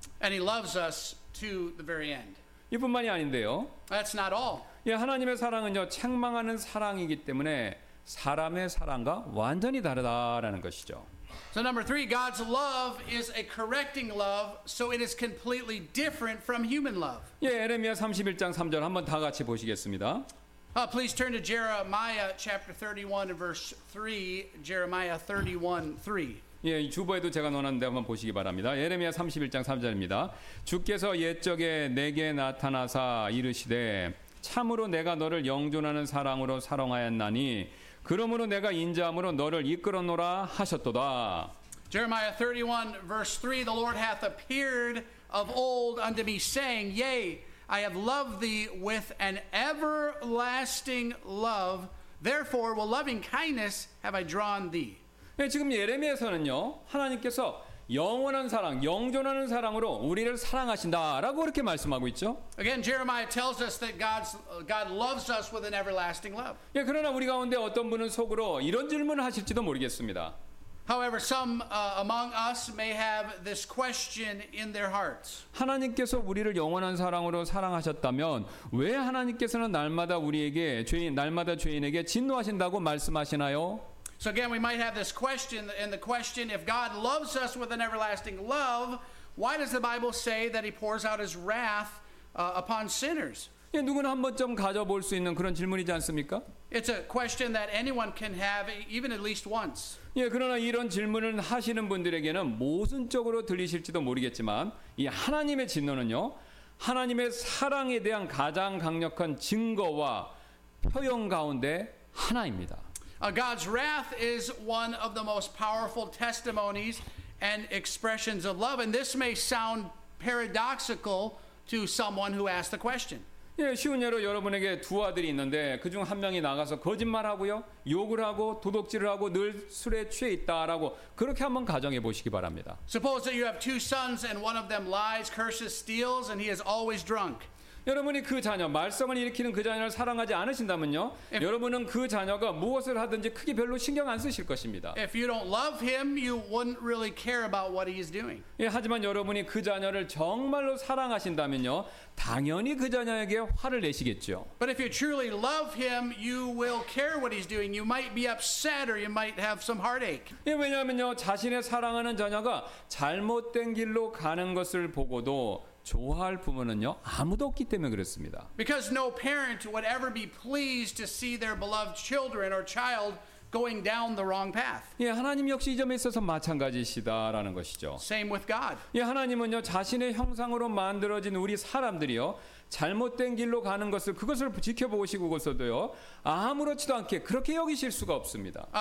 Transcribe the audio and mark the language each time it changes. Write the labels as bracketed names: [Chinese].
[English] And he loves us to the very end. [Korean] 이뿐만이 아닌데요. [English] That's not all. [Korean] 예, 하나님의 사랑은요, 책망하는 사랑이기 때문에 사람의 사랑과 완전히 다르다라는 것이죠. [English] So number three, God's love is a correcting love, so it is completely different from human love. [Korean] 예, 예레미야 31장 3절 한번 다 같이 보시겠습니다. [English] Please turn to Jeremiah chapter 31 verse 3. Jeremiah 31:3. [Korean] 예, 주보에도 제가 넣었는데 한번 보시기 바랍니다. 예레미야 31장 3절입니다. 주께서 옛적에 내게 나타나사 이르시되 참으로 내가 너를 영존하는 사랑으로 사랑하였나니 그러므로 내가 인자함으로 너를 이끌어노라 하셨도다. [English] Jeremiah 31 verse 3 The Lord hath appeared of old unto me saying Yea, I have loved thee with an everlasting love Therefore with loving kindness have I drawn thee. [Korean] 예, 지금 예레미야서는요 하나님께서 영원한 사랑, 영존하는 사랑으로 우리를 사랑하신다라고 이렇게 말씀하고 있죠. [English] Again, Jeremiah tells us that God loves us with an everlasting love. [Korean] 예, 그러나 우리 가운데 어떤 분은 속으로 이런 질문을 하실지도 모르겠습니다. [English] However, some among us may have this question in their hearts. [Korean] 하나님께서 우리를 영원한 사랑으로 사랑하셨다면 왜 하나님께서는 날마다 우리에게 죄인, 날마다 죄인에게 진노하신다고 말씀하시나요? [English] So again, we might have this question, and the question, if God loves us with an everlasting love, why does the Bible say that he pours out his wrath upon sinners? [Korean] 예, 누구나 한 번쯤 가져볼 수 있는 그런 질문이지 않습니까? [English] It's a question that anyone can have even at least once. [Korean] 예, 그러나 이런 질문을 하시는 분들에게는 모순적으로 들리실지도 모르겠지만 이 하나님의 진노는요. 하나님의 사랑에 대한 가장 강력한 증거와 표현 가운데 하나입니다. [English] God's wrath is one of the most powerful testimonies and expressions of love, and this may sound paradoxical to someone who asked the question. [Korean] 예, 쉬운 예로 여러분에게 두 아들이 있는데 그중 한 명이 나가서 거짓말하고요, 욕을 하고 도둑질을 하고 늘 술에 취해 있다라고 그렇게 한번 가정해 보시기 바랍니다. [English] Suppose that you have two sons and one of them lies, curses, steals, and he is always drunk. [Korean] 여러분이 그 자녀, 말썽을 일으키는 그 자녀를 사랑하지 않으신다면요, 여러분은 그 자녀가 무엇을 하든지 크게 별로 신경 안 쓰실 것입니다. [English] If you don't love him, you wouldn't really care about what he's doing. [Korean] 예, 하지만 여러분이 그 자녀를 정말로 사랑하신다면요, 당연히 그 자녀에게 화를 내시겠죠. [English] But if you truly love him, you will care what he's doing. You might be upset or you might have some heartache. [Korean] 예, 왜냐하면요, 자신의 사랑하는 자녀가 잘못된 길로 가는 것을 보고도 좋아할 부모는요 아무도 없기 때문에 그렇습니다. [English] Because no parent would ever be pleased to see their beloved children or child going down the wrong path. [Korean] 예, 하나님 역시 이 점에 있어서 마찬가지시다라는 것이죠. [English] Same with God. [Korean] 예, 하나님은요 자신의 형상으로 만들어진 우리 사람들이요 잘못된 길로 가는 것을 그것을 지켜보시고서도요 아무렇지도 않게 그렇게 여기실 수가 없습니다.